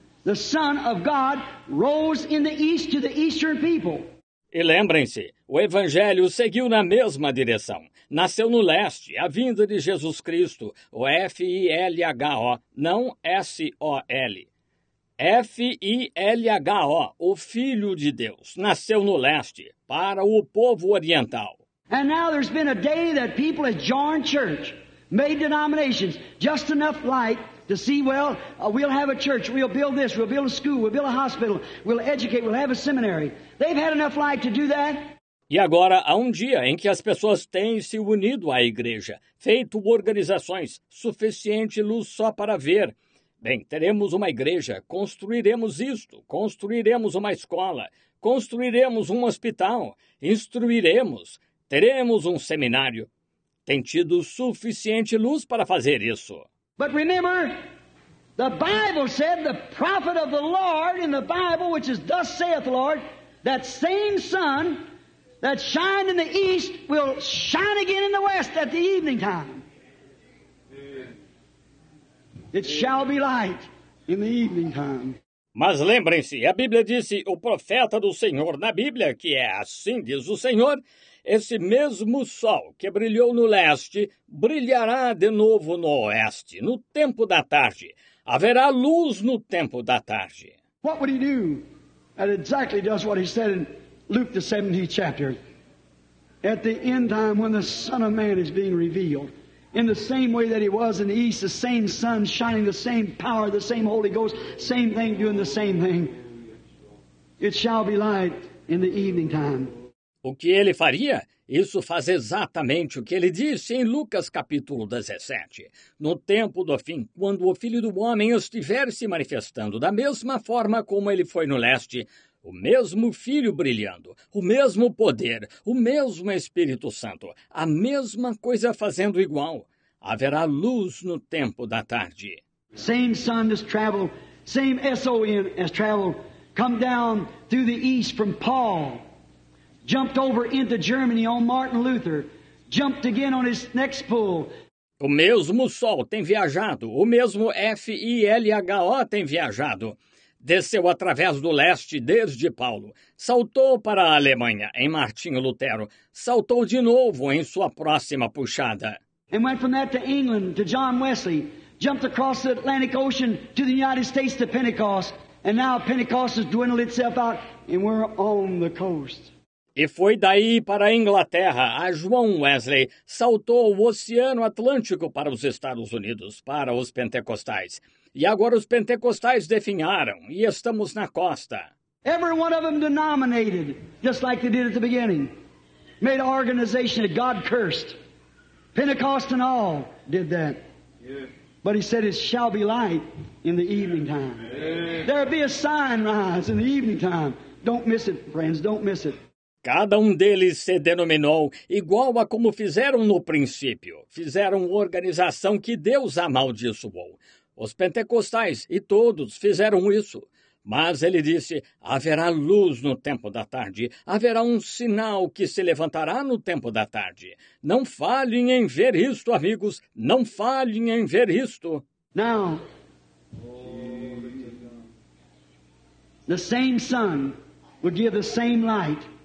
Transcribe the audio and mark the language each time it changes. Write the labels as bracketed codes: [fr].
[en] The Son of God rose in the east to the eastern people. [pt] E lembrem-se, o Evangelho seguiu na mesma direção. Nasceu no leste, a vinda de Jesus Cristo, o F-I-L-H-O, não S-O-L. F-I-L-H-O, o Filho de Deus, nasceu no leste, para o povo oriental. [en] And now there's been a day that people have joined church, made denominations, just enough light. To see, well, we'll have a church, we'll build this, we'll build a school, we'll build a hospital, we'll educate, we'll have a seminary. They've had enough light to do that. [pt] E agora há um dia em que as pessoas têm se unido à igreja, feito organizações, suficiente luz só para ver. Bem, teremos uma igreja, construiremos isto, construiremos uma escola, construiremos um hospital, instruiremos, teremos um seminário. Tem tido suficiente luz para fazer isso. [en] But remember, the Bible said the prophet of the Lord in the Bible, which is thus saith the Lord, that same sun that shined in the east will shine again in the west at the evening time. It shall be light in the evening time. [pt] Mas lembrem-se, a Bíblia disse, o profeta do Senhor na Bíblia, que é assim diz o Senhor, esse mesmo sol que brilhou no leste, brilhará de novo no oeste, no tempo da tarde. Haverá luz no tempo da tarde. [en] What would he do? That exactly does what he said in Luke, the 17th chapter. At the end time, when the Son of Man is being revealed, in the same way that he was in the east, the same sun shining, the same power, the same Holy Ghost, same thing, doing the same thing. It shall be light in the evening time. [pt] O que ele faria? Isso faz exatamente o que ele disse em Lucas capítulo 17. No tempo do fim, quando o Filho do Homem estiver se manifestando da mesma forma como ele foi no leste, o mesmo Filho brilhando, o mesmo poder, o mesmo Espírito Santo, a mesma coisa fazendo igual, haverá luz no tempo da tarde. [en] Same sun as travel, same S-O-N as travel, come down through the east from Paul, jumped over into Germany on Martin Luther, jumped again on his next bull. [pt] O mesmo Sol tem viajado, o mesmo FILHO tem viajado. Desceu através do leste desde Paulo, saltou para a Alemanha em Martinho Lutero, saltou de novo em sua próxima puxada. [en] And went from that to England, to John Wesley, jumped across the Atlantic Ocean to the United States to Pentecost, and now Pentecost has dwindled itself out and we're on the coast. [pt] E foi daí para a Inglaterra, a João Wesley saltou o Oceano Atlântico para os Estados Unidos, para os pentecostais. E agora os pentecostais definharam e estamos na costa. [en] Every one of them denominated, just like they did at the beginning. Made an organization that God cursed. Pentecost and all did that. But he said it shall be light in the evening time. There'll be a sign rise in the evening time. Don't miss it, friends, don't miss it. [pt] Cada um deles se denominou igual a como fizeram no princípio. Fizeram organização que Deus amaldiçoou. Os pentecostais e todos fizeram isso. Mas ele disse, haverá luz no tempo da tarde. Haverá um sinal que se levantará no tempo da tarde. Não falhem em ver isto, amigos. Não falhem em ver isto. [en] Now, the same sun will give the same light.